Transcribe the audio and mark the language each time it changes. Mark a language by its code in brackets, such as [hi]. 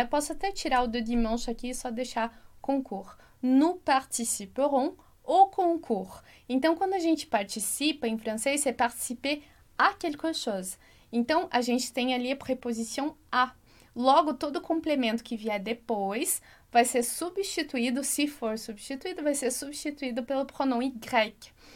[pt] Eu posso até tirar o de dimanche aqui e só deixar concours. [fr] Nous participerons au concours. [pt] Então, quando a gente participa, em francês, [fr] c'est participer à quelque chose. [pt] Então, a gente tem ali a preposição à. Logo, todo complemento que vier depois vai ser substituído, se for substituído, vai ser substituído pelo pronome grec.